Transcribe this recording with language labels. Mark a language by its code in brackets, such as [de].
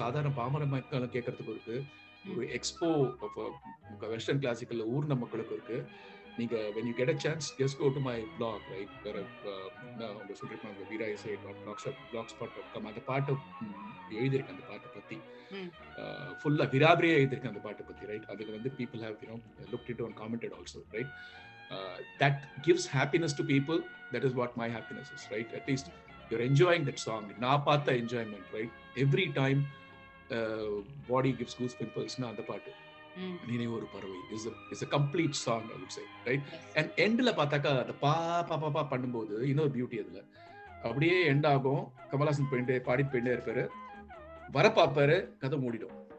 [ta] சாதாரண பாமர மக்களும் கேட்கறதுக்கும் இருக்கு, ஒரு எக்ஸ்போ வெஸ்டர்ன் கிளாசிக்கல் ஊர்ன மக்களுக்கும் இருக்கு. நீங்க [en] when you get a chance just go to my blog right where [ta] நான் சொல்றேன் அந்த வீரா இசை blogspot.com அந்த பாட்டு எழுதியிருக்கேன். அந்த பாட்டை பத்தி ஃபுல்லா விராபிரியா எழுதியிருக்கேன் அந்த பாட்டை பத்தி ரைட். அதுக்கு வந்து [en] people have you know looked into and commented also right. That gives happiness to people. That is what my happiness is right. At least you're enjoying that song [ta] na paatha [en] enjoyment right. Every time body gives goose pimples [ta] na andha paattu [en] நினை ஒரு பறவை is a complete song I would say right. [ta] And எண்ட்ல பார்த்தாக்கா அந்த பா பா பா பா பண்ணும்போது இன்னொரு பியூட்டி அதுல அப்படியே எண்ட் ஆகும். கமலாசன் போயிட்டு பாடி போயிட்டே இருப்பாரு, வர பாப்பாரு, கதை மூடிடும்.